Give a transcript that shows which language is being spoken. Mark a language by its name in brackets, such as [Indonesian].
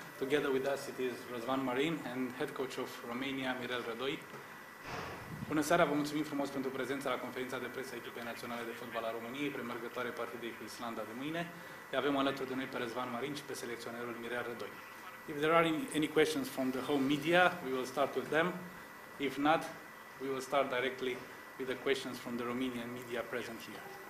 [English] Together with us it is Răzvan Marin and head coach of Romania, Mirel Rădoi. [Romanian] Bună seara, vă mulțumim frumos pentru prezența la conferința de presă a echipei naționale de fotbal a României, premergătoare partidei cu Islanda de mâine. Îi avem alături de noi pe Răzvan Marin și pe selecționerul Mirel Rădoi. [English] If there are any questions from the home media, we will start with them. If not, we will start directly with the questions from the Romanian media present here.